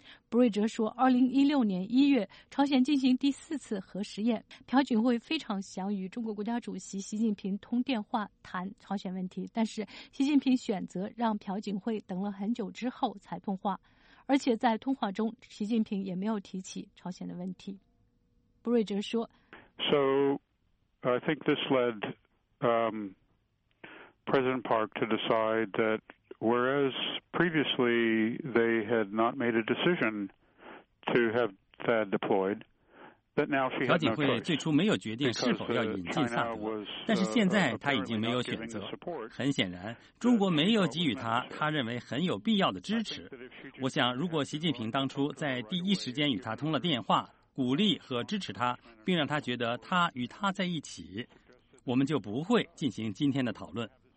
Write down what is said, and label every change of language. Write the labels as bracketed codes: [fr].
[zh] 布瑞哲说，2016年1月，朝鲜进行第四次核试验，朴槿惠非常想与中国国家主席习近平通电话谈朝鲜问题，但是习近平选择让朴槿惠等了很久之后才通话，而且在通话中，习近平也没有提起朝鲜的问题。布瑞哲说 [en] ：“So, I think this led President Park to decide that.” Whereas previously they had not made a decision to have THAAD deployed, but now she has no choice. [zh] 朴槿惠最初没有决定是否要引进萨德，但是现在他已经没有选择。很显然，中国没有给予他认为很有必要的支持。我想，如果习近平当初在第一时间与他通了电话，鼓励和支持他，并让他觉得他与他在一起，我们就不会进行今天的讨论。